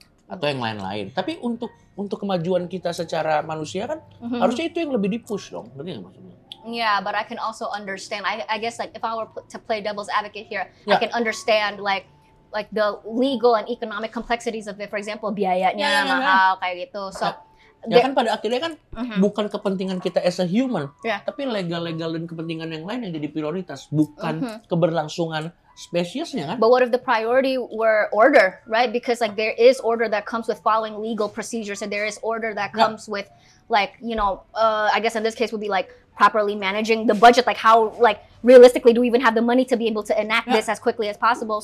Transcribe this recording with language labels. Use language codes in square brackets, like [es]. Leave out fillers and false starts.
[id] Atau yang lain-lain. Tapi untuk kemajuan kita secara manusia kan harusnya itu yang lebih dipush dong. Berarti nggak maksudnya? [en] Yeah, but I can also understand. I guess like if I were to play devil's advocate here, I can understand like the legal and economic complexities of it, for example, [id] biayanya mahal, kayak gitu. [en] So, [id] ya kan pada akhirnya kan bukan kepentingan kita [en] as a human, [id] tapi legal-legal dan kepentingan yang lain yang jadi prioritas, bukan keberlangsungan spesiesnya kan. [en] But what if the priority were order, right? Because like there is order that comes with following legal procedures, and there is order that comes with like, you know, I guess in this case would be like properly managing the budget, like how, like realistically, do we even have the money to be able to enact this as quickly as possible?